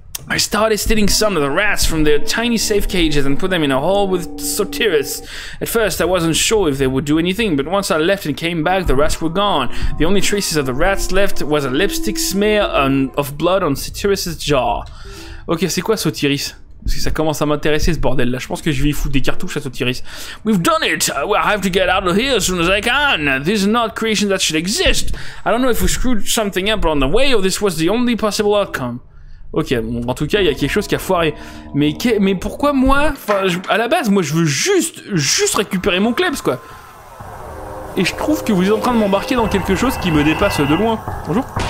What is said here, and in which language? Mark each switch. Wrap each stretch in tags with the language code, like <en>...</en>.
<en>I started stealing some of the rats from their tiny safe cages and put them in a hole with Sotiris. At first, I wasn't sure if they would do anything, but once I left and came back, the rats were gone. The only traces of the rats left was a lipstick smear of blood on Sotiris' jaw.</en> <fr>Ok, c'est quoi Sotiris? Parce que ça commence à m'intéresser ce bordel là. Je pense que je vais y foutre des cartouches à Sotiris.</fr> <en>We've done it! I have to get out of here as soon as I can! These are not creations that should exist! I don't know if we screwed something up on the way or this was the only possible outcome.</en> <fr>Ok, bon, en tout cas, il y a quelque chose qui a foiré. Mais pourquoi moi? Enfin, à la base, moi, je veux juste récupérer mon klebs, quoi. Et je trouve que vous êtes en train de m'embarquer dans quelque chose qui me dépasse de loin. Bonjour.</fr>